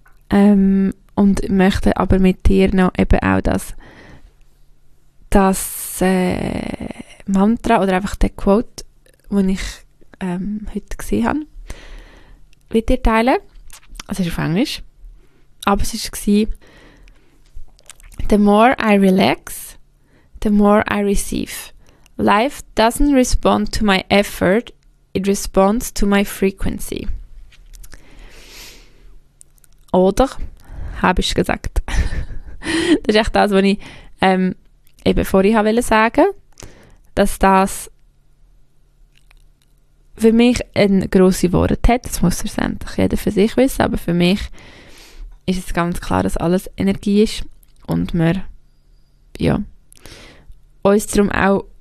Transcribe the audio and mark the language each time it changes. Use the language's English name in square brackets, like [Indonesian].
[German] Und möchte aber mit dir noch eben auch das Mantra oder einfach den Quote, den ich heute gesehen habe, mit dir teilen. Also es ist auf Englisch. Aber es war, [English] the more I relax, the more I receive. Life doesn't respond to my effort, it responds to my frequency. [German] Oder, habe ich gesagt. Das ist echt das, was ich eben vorhin sagen wollte, dass das für mich ein grosses Wort hat. Das muss letztendlich jeder für sich wissen, aber für mich ist es ganz klar, dass alles Energie ist und wir ja, uns darum auch